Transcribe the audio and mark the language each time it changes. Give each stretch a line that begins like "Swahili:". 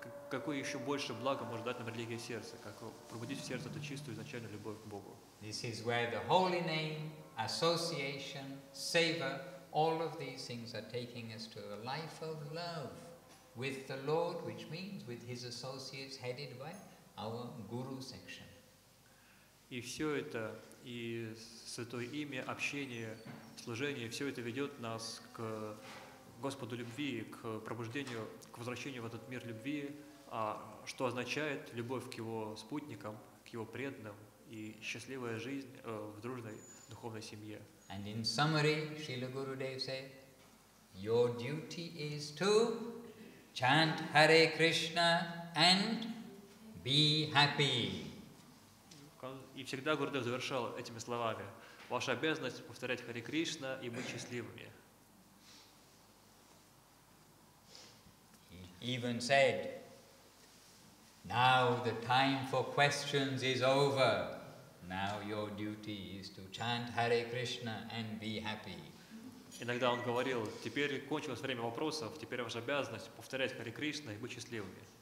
Russian: Какое еще больше блага может дать нам религия сердца, как пробудить в сердце эту чистую изначальную любовь к Богу.
English: This is where the holy name, association, seva, all of these things are taking us to a life of love with the Lord, which means with his associates headed by our guru section.
Russian: И все это, и святое имя, общение, служение, все это ведет нас к Господу любви, к пробуждению, к возвращению в этот мир любви, что означает любовь к его спутникам, к его преданным и счастливая жизнь в дружной духовной семье.
English: And in summary, Srila Gurudev said, your duty is to chant Hare Krishna and be happy.
Russian: И всегда Гурудев завершал этими словами: ваша обязанность повторять Харе Кришна и быть счастливыми.
English: Even said, now the time for questions is over. Now your duty is to chant Hare Krishna and be happy.
Russian: Иногда он говорил, теперь кончилось время вопросов, теперь ваша обязанность повторять Харе Кришна и быть счастливыми.